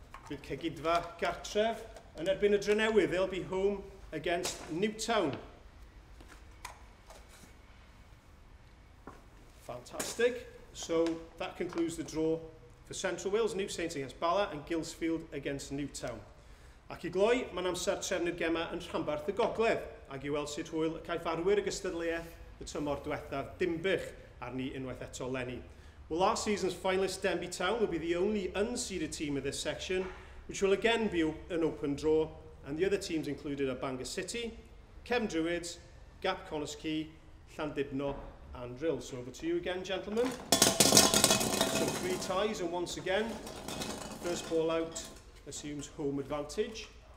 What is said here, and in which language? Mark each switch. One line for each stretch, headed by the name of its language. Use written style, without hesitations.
English: With Cegidfa Gartref and Edwin y Drenewydd, they'll be home against Newtown. Fantastic. So that concludes the draw for Central Wales, New Saints against Bala and Gilsfield against Newtown.
Welsh: Ac I gloi, mae'n amser trefnu'r gema yn Rhanbarth y Gogledd, ac I weld sut hwyl y caiff arwyr y gystadleuaeth y tymor diwethaf dimbych arni unwaith eto leni.
English: Well, last season's finalist Denby Town will be the only unseeded team of this section, which will again be an open draw, and the other teams included are Bangor City, Cefn Druids, Gap Conisquy, Llandudno and Drill. So over to you again, gentlemen. So three ties, and once again, first ball out assumes home advantage.